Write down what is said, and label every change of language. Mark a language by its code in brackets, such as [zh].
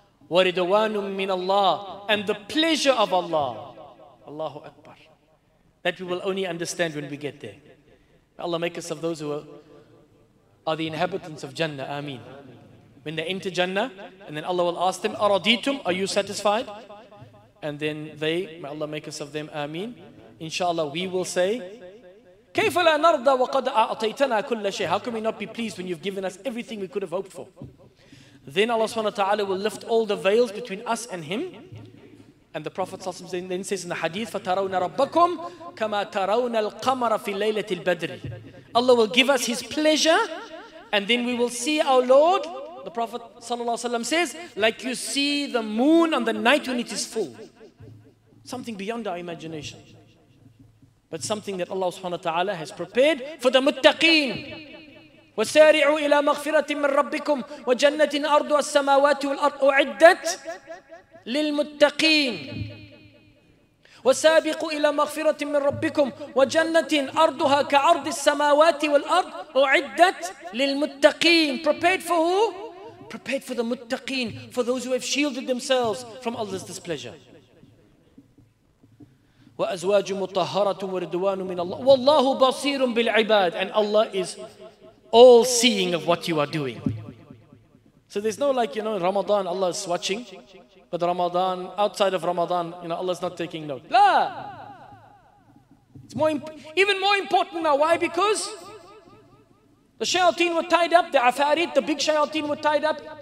[ar] وَرِدْوَانٌ مِّنَ اللَّهِ, [en] and the pleasure of Allah. Allahu Akbar. That we will only understand when we get there. May Allah make us of those who are the inhabitants of Jannah. Ameen. When they enter Jannah, and then Allah will ask them, [ar] أَرَضِيتُمْ, [en] are you satisfied? And then they, may Allah make us of them. Ameen. Inshallah, we will say, [ar] كيف لا نرضى وقد أعطيتنا كل شيء. [en] How can we not be pleased when you've given us everything we could have hoped for? Then Allah subhanahu wa ta'ala will lift all the veils between us and him. And the Prophet then says in the hadith, [ar] فَتَرَوْنَ رَبَّكُمْ كَمَا تَرَوْنَ الْقَمَرَ فِي لَيْلَةِ الْبَدْرِ. [en] Allah will give us his pleasure, and then we will see our Lord, the Prophet sallallahu alaihi wasallam says, like you see the moon on the night when it is full. Something beyond our imagination. But something that Allah subhanahu wa ta'ala has prepared for the muttaqeen. [ar] وَسَارِعُوا إِلَى مَغْفِرَةٍ مِّن رَبِّكُمْ وَجَنَّةٍ أَرْضُهَا السَّمَاوَاتُ وَالْأَرْضُ أُعِدَّتْ لِلْمُتَّقِينَ. وَسَابِقُوا إِلَى مَغْفِرَةٍ مِّن رَبِّكُمْ وَجَنَّةٍ أَرْضُهَا كَعَرْضِ السَّمَاوَاتِ وَالْأَرْضُ أُعِدَّتْ لِلْمُتَّقِينَ. [en] Prepared for who? Prepared for the muttaqeen, for those who have shielded themselves from Allah's displeasure. [ar] وأزواج مطهرة وردوان من الله والله بصير بالعباد. [en] And Allah is all seeing of what you are doing. So there's no like, you know, Ramadan, Allah is watching. But Ramadan, outside of Ramadan, you know, Allah is not taking note. [ar] لا. [en] It's even more important now. Why? Because the shayateen were tied up, the afarit, the big shayateen were tied up.